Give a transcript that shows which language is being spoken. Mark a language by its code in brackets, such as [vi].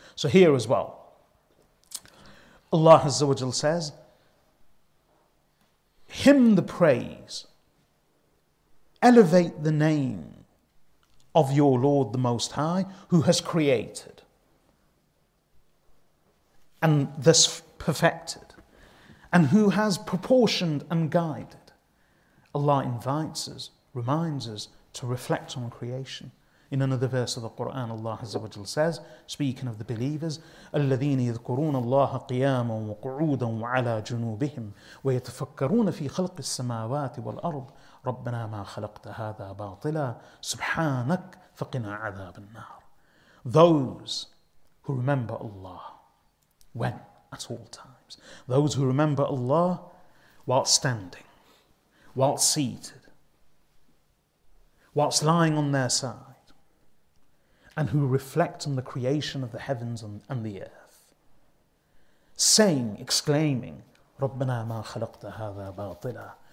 [en] So here as well, Allah Azza wa Jal says, hymn the praise, elevate the name of your Lord the Most High who has created and thus perfected, and who has proportioned and guided. Allah invites us, reminds us to reflect on creation. In another verse of the Quran, Allah Azza wa Jal says, speaking of the believers, الَّذِينَ [ar] يَذْكُرُونَ اللَّهَ قِيَامًا وَقُعُودًا وَعَلَى جُنُوبِهِمْ وَيَتَفَكَّرُونَ فِي خَلْقِ السَّمَاوَاتِ وَالْأَرْضِ رَبَّنَا مَا خَلَقْتَ هَذَا بَاطِلًا سُبْحَانَكَ فَقِنَا عَذَابَ النَّارِ. [en] Those who remember Allah, when? At all times. Those who remember Allah while standing, while seated, whilst lying on their side, and who reflect on the creation of the heavens and the earth, saying, exclaiming, [ar] رَبَّنَا مَا خَلَقْتَ هَذَا بَاطِلًا.